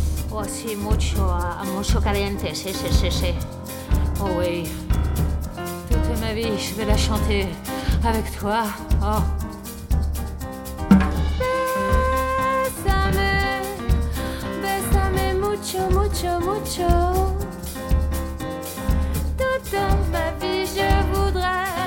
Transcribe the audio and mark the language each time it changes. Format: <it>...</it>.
<es>Oh, sí, mucho, mucho caliente, sí, sí, sí, sí.</es> <fr>Oh, oui. Toute ma vie, je vais la chanter avec toi. Oh.</fr> <es>Bésame, bésame mucho, mucho, mucho.</es> <fr>Toute ma vie, je voudrais.</fr>